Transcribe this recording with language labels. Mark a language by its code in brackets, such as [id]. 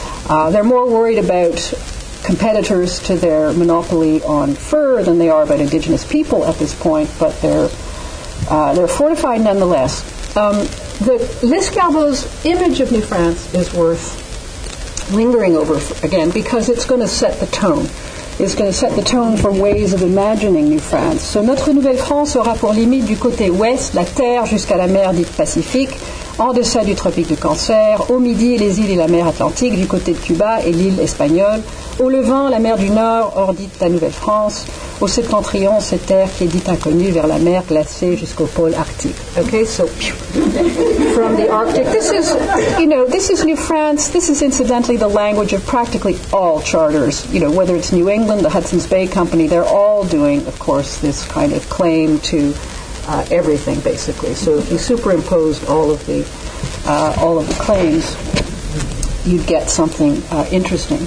[en] They're more worried about competitors to their monopoly on fur than they are about indigenous people at this point, but they're fortified nonetheless. The Lescarbot's image of New France is worth lingering over again because it's going to set the tone. It's going to set the tone for ways of imagining New France. [fr] So Notre Nouvelle France aura pour limite du côté ouest la terre jusqu'à la mer dite Pacifique, en deçà du tropique du Cancer, au midi les îles et la mer Atlantique du côté de Cuba et l'île espagnole, au levant la mer du Nord hors dite la Nouvelle France, au septentrion cette terre qui est dite inconnue vers la mer glacée jusqu'au pôle arctique. [en] Okay, so from the Arctic. This is New France. This is incidentally the language of practically all charters. You know, whether it's New England, the Hudson's Bay Company, they're all doing, of course, this kind of claim to everything, basically. So if you superimposed all of the claims, you'd get something interesting.